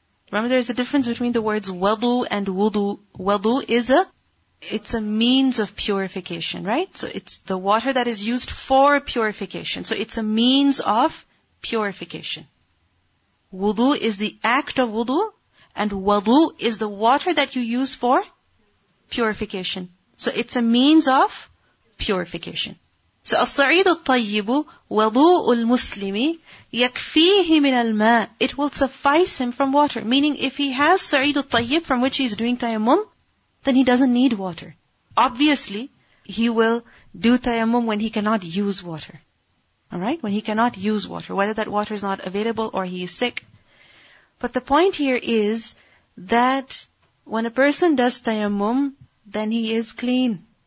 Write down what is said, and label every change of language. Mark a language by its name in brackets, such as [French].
[English] Remember, there's a difference between the words wadu and wudu. Wadu is a means of purification, right? So it's the water that is used for purification. So it's a means of purification. Wudu is the act of wudu, and wadu is the water that you use for purification. So it's a means of purification. [Arabic] So الصعيد الطيب وضوء المسلم يكفيه من الماء. [English] It will suffice him from water. Meaning if he has صعيد الطيب from which he is doing tayammum, then he doesn't need water. Obviously, he will do tayammum when he cannot use water. Alright? When he cannot use water. Whether that water is not available or he is sick. But the point here is that when a person does tayammum, then he is clean.